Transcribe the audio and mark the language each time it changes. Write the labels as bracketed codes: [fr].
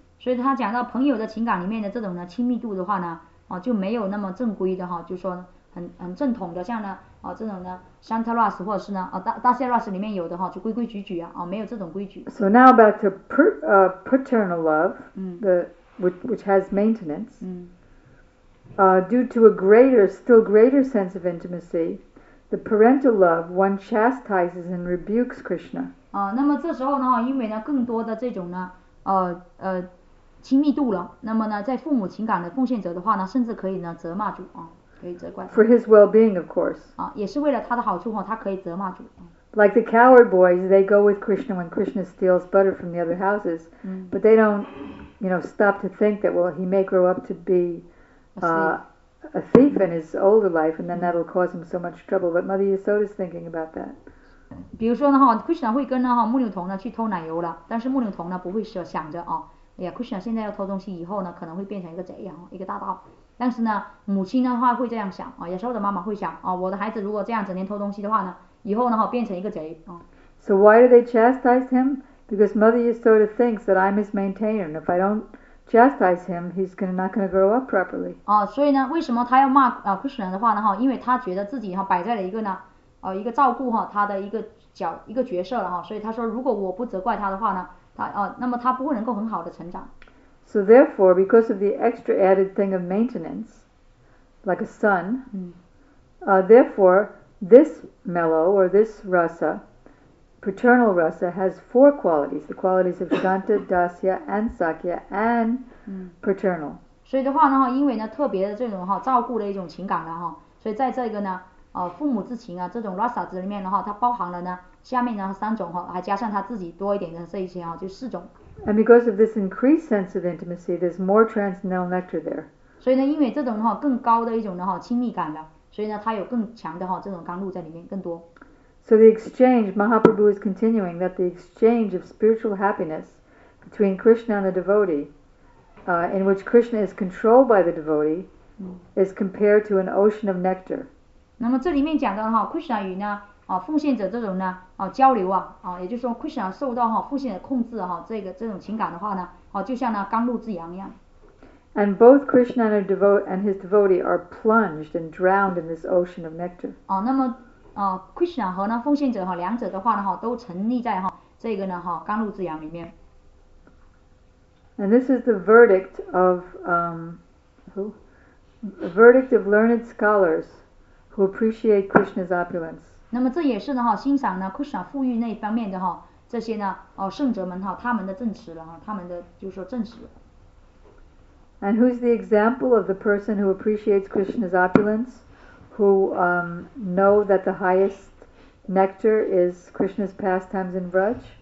[zh] 所以他讲到朋友的情感里面的这种呢亲密度的话呢，啊，就没有那么正规的哈，就说很正统的，像呢，啊，这种呢 Shantaras 或者是呢，啊，Dasyaras 里面有的哈，就规规矩矩啊，啊，没有这种规矩。 [en] So now back to paternal love, which has maintenance, due to a greater, still greater sense of intimacy, the parental love one chastises and rebukes Krishna. [zh] 啊，那么这时候呢，因为呢更多的这种呢，亲密度了，那么呢，在父母情感的奉献者的话呢，甚至可以呢责骂主啊，可以责怪。 [en] For his well-being, of course. [zh] 啊，也是为了他的好处哈，他可以责骂主。 [en] Like the coward boys, they go with Krishna when Krishna steals butter from the other houses, but they don't. You know, stop to think that, well, he may grow up to be a thief in his older life, and then that'll cause him so much trouble. But Mother Yasoda is thinking about that. [zh] 比如说呢，哈 ，Krishna 会跟呢哈牧牛童呢去偷奶油了，但是牧牛童呢不会说想着啊，哎呀 ，Krishna 现在要偷东西，以后呢可能会变成一个贼啊，一个大盗。但是呢，母亲的话会这样想啊，有时候的妈妈会想啊，我的孩子如果这样整天偷东西的话呢，以后呢哈变成一个贼啊。 [en] So why do they chastise him? Because Mother Yasoda thinks that I'm his maintainer, and if I don't chastise him, he's not going to grow up properly. [zh] 哦，所以呢，为什么他要骂啊 Krishna 的话呢？哈，因为他觉得自己哈摆在了一个呢，一个照顾哈他的一个角色了哈，所以他说，如果我不责怪他的话呢，他啊，那么他不会能够很好的成长。 [en] So therefore, because of the extra added thing of maintenance, like a son, therefore this mellow or this rasa. Paternal rasa has four qualities, the qualities of Shanta, Dasya, and Sakya, and paternal. [zh] 所以的话呢，因为呢特别的这种哈照顾的一种情感的哈，所以在这个呢，父母之情啊这种 rasa 子里面的话，它包含了呢下面呢三种哈，还加上他自己多一点的这一些啊，就四种。 [en] And because of this increased sense of intimacy, there's more transcendental nectar there. [zh] 所以呢，因为这种哈更高的一种的哈亲密感了，所以呢它有更强的哈这种甘露在里面更多。 [en] So the exchange, Mahaprabhu is continuing that the exchange of spiritual happiness between Krishna and the devotee, in which Krishna is controlled by the devotee, is compared to an ocean of nectar. [zh] 那么这里面讲到哈 ，Krishna 与呢啊奉献者这种呢啊交流啊啊，也就是说 Krishna 受到哈奉献者控制哈这个这种情感的话呢，啊就像呢甘露之洋一样。 [en] And both Krishna and his devotee are plunged and drowned in this ocean of nectar. [zh] 啊，那么。Krishna 和呢奉献者哈，两者的话呢哈，都沉溺在哈这个呢哈甘露之洋里面。 [en] And this is the verdict of the verdict of learned scholars who appreciate Krishna's opulence. [zh] 那么这也是呢哈欣赏呢 Krishna 富裕那方面的哈这些呢圣者们哈他们的证词了哈，他们的就是说证词。 [en] And who's the example of the person who appreciates Krishna's opulence? Who know that the highest nectar is Krishna's pastimes in Vraj?